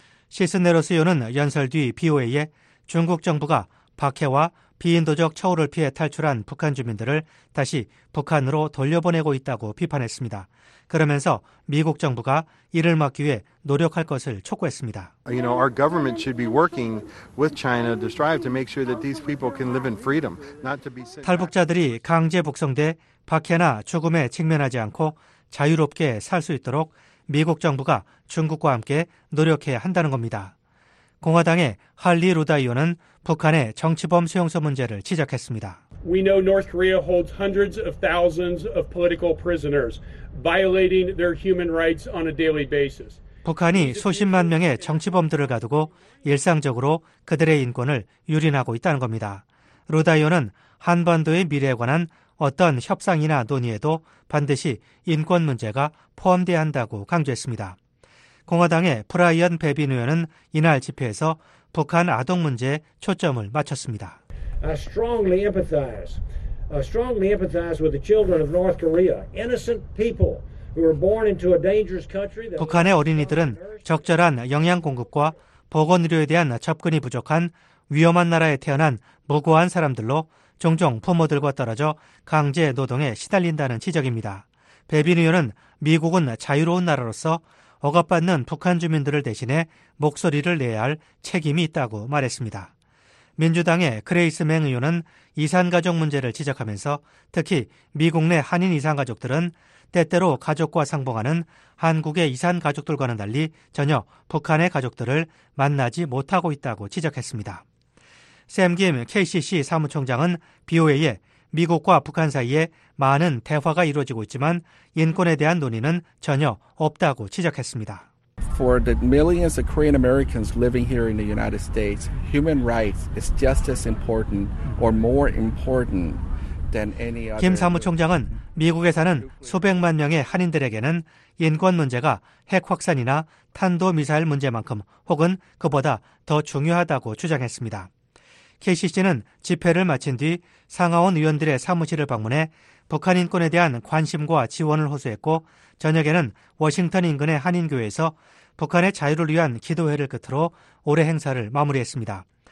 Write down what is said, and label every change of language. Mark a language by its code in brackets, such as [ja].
[ko] 시스네로스 의원은 연설 뒤 BOA에 중국 정부가 박해와 비인도적 처우를 피해 탈출한 북한 주민들을 다시 북한으로 돌려보내고 있다고 비판했습니다. 그러면서 미국 정부가 이를 막기 위해 노력할 것을 촉구했습니다. [en] You know, our government should be working with China to strive to make sure that these people can live in freedom, not to be [ko] 탈북자들이 강제 북송돼 박해나 죽음에 직면하지 않고 자유롭게 살 수 있도록 미국 정부가 중국과 함께 노력해야 한다는 겁니다. 공화당의 할리 루다 의원은 북한의 정치범 수용소 문제를 지적했습니다. [en] We know North Korea holds hundreds of thousands of political prisoners, violating their human rights on a daily basis. [ko] 북한이 수십만 명의 정치범들을 가두고 일상적으로 그들의 인권을 유린하고 있다는 겁니다. 루다 의원은 한반도의 미래에 관한 어떤 협상이나 논의에도 반드시 인권 문제가 포함돼야 한다고 강조했습니다. 공화당의 브라이언 베빈 의원은 이날 집회에서 북한 아동 문제에 초점을 맞췄습니다. [en] I strongly empathize with the children of North Korea, innocent people who were born into a dangerous country. [ko] 북한의 어린이들은 적절한 영양 공급과 보건 의료에 대한 접근이 부족한 위험한 나라에 태어난 무고한 사람들로 종종 부모들과 떨어져 강제 노동에 시달린다는 지적입니다. 베빈 의원은 미국은 자유로운 나라로서 억압받는 북한 주민들을 대신해 목소리를 내야 할 책임이 있다고 말했습니다. 민주당의 그레이스 맹 의원은 이산가족 문제를 지적하면서 특히 미국 내 한인 이산가족들은 때때로 가족과 상봉하는 한국의 이산가족들과는 달리 전혀 북한의 가족들을 만나지 못하고 있다고 지적했습니다. 샘 김 KCC 사무총장은 BOA에 미국과 북한 사이에 많은 대화가 이루어지고 있지만 인권에 대한 논의는 전혀 없다고 지적했습니다. [en] For the millions of Korean Americans living here in the United States, human rights is just as important or more important than any other. [ko] 김 사무총장은 미국에 사는 수백만 명의 한인들에게는 인권 문제가 핵 확산이나 탄도 미사일 문제만큼 혹은 그보다 더 중요하다고 주장했습니다. KCC는 집회를 마친 뒤 상하원 의원들의 사무실을 방문해 북한 인권에 대한 관심과 지원을 호소했고 저녁에는 워싱턴 인근의 한인교회에서 북한의 자유를 위한 기도회를 끝으로 올해 행사를 마무리했습니다.